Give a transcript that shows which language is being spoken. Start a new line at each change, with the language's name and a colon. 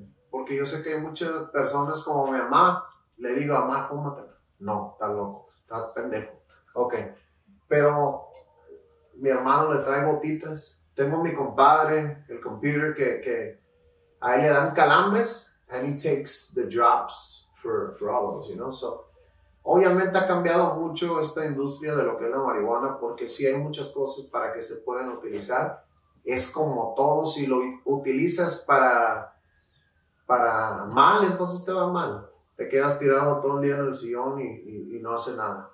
Spanish: Porque yo sé que hay muchas personas como mi mamá. Le digo, mamá, fúmate. No, estás loco, estás pendejo. Ok, pero mi hermano le trae gotitas. Tengo mi compadre, el computer, que a él le dan calambres.
English: And he takes the drops for all of us, you know, so.
Spanish: Obviamente ha cambiado mucho esta industria de lo que es la marihuana, porque sí hay muchas cosas para que se puedan utilizar. Es como todo, si lo utilizas para mal, entonces te va mal. Te quedas tirado todo el día en el sillón y no hace nada.